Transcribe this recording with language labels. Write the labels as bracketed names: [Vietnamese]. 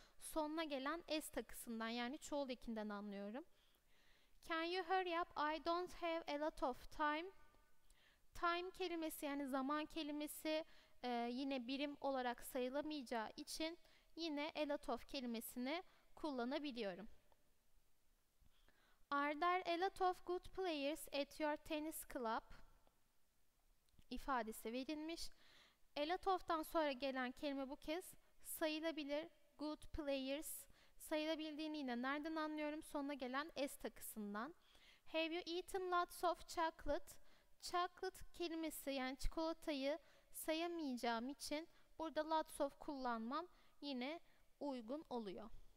[Turkish] Sonuna gelen s takısından, yani çoğul ekinden anlıyorum. [English] Can you hurry up? I don't have a lot of time. [Turkish] Time kelimesi, yani zaman kelimesi yine birim olarak sayılamayacağı için yine a lot of kelimesini kullanabiliyorum. [English] Are there a lot of good players at your tennis club? [Turkish] İfadesi verilmiş. A lot of'tan sonra gelen kelime bu kez sayılabilir. Good players. Sayılabildiğini yine nereden anlıyorum? Sonuna gelen s takısından. [English] Have you eaten lots of chocolate? [Turkish] Chocolate kelimesi, yani çikolatayı sayamayacağım için burada lots of kullanmam yine uygun oluyor.